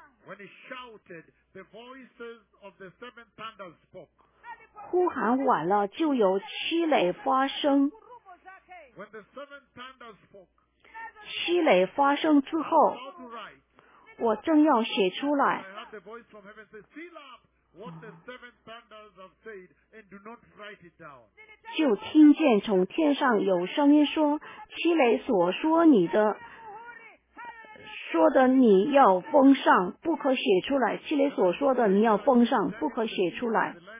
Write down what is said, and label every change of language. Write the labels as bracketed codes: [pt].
[en] When he shouted, the voices of the seven thunders spoke. [zh] 呼喊完了，就有七雷发声。 [en] When the seven thunders spoke, [zh] 七雷发声之后，我正要写出来。 [en] I heard the voice from heaven say, "Seal up what the seven thunders have said, and do not write it down." [zh] 就听见从天上有声音说，七雷所说你的。说的你要封上，不可写出来。七雷所说的你要封上，不可写出来。